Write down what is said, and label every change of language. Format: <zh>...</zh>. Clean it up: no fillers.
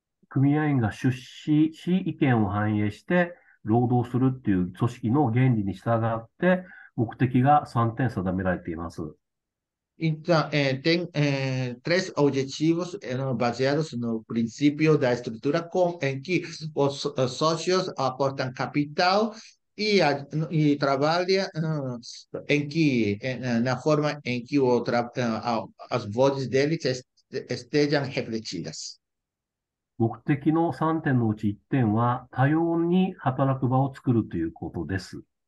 <ja>組合員が出資し、意見を反映して、労働するっていう組織の原理に従って、目的が3点定められています。</ja> <pt>Então, tem três objetivos baseados no princípio da estrutura em que os sócios aportam capital e trabalham na forma em que as vozes deles estejam refletidas.</pt> <ja>目的の3点のうち1点は多様に働く場を作るということです。</ja>